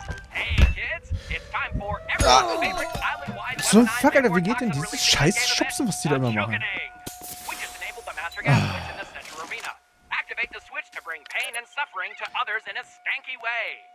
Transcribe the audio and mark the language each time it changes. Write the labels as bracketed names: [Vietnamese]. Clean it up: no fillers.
[English] Hey kids, it's time for everyone's favorite island-wide. [German] So ein Fuck, Alter, wie geht denn dieses scheiß Schubsen, was die da immer machen? [English] We just enabled the master gas switch in the central arena. Activate the switch to bring pain and suffering to others in a stanky way.